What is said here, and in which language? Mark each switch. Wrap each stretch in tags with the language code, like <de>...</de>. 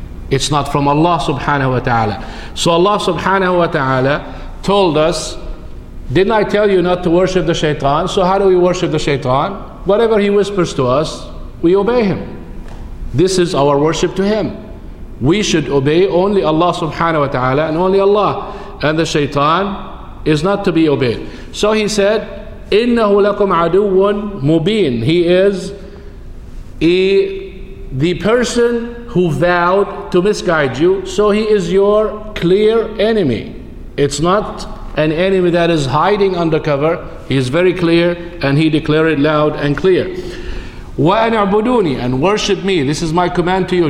<en>It's not from Allah subhanahu wa ta'ala. So Allah subhanahu wa ta'ala told us, didn't I tell you not to worship the shaitan? So how do we worship the shaitan? Whatever he whispers to us, we obey him. This is our worship to him. We should obey only Allah subhanahu wa ta'ala and only Allah. And the shaitan is not to be obeyed. So he said,</en> <ar>إِنَّهُ لَكُمْ عَدُوٌ مُبِينٌ.</ar> <en>He is the person who vowed to misguide you, so he is your clear enemy. It's not an enemy that is hiding undercover. He is very clear, and he declared it loud and clear.</en> <ar>وَأَنْ اعْبُدُونِي,</ar> <en>and worship me. This is my command to you.</en>